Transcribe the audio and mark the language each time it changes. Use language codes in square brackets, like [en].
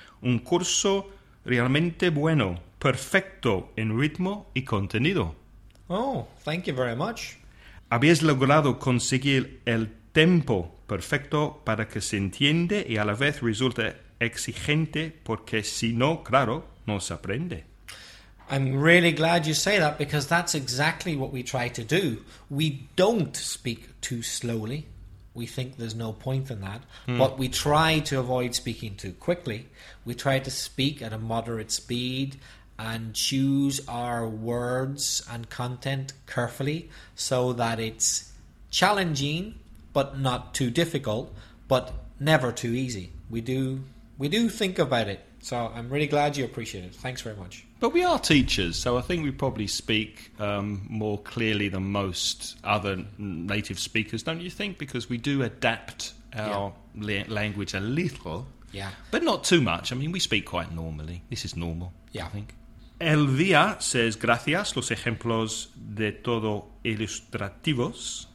[es] Un curso realmente bueno, perfecto en ritmo y contenido. [en] Oh, thank you very much. [es] Habías logrado conseguir el tempo perfecto para que se entiende y a la vez resulte exigente, porque si no, claro, no se aprende. [en] I'm really glad you say that, because that's exactly what we try to do. We don't speak too slowly. We think there's no point in that. Mm. But we try to avoid speaking too quickly. We try to speak at a moderate speed and choose our words and content carefully so that it's challenging but not too difficult, but never too easy. We do think about it. So I'm really glad you appreciate it. Thanks very much. But we are teachers, so I think we probably speak more clearly than most other native speakers, don't you think? Because we do adapt our language a little, but not too much. I mean, we speak quite normally. This is normal, I think. Elvia says, [es] gracias, los ejemplos de todo ilustrativos.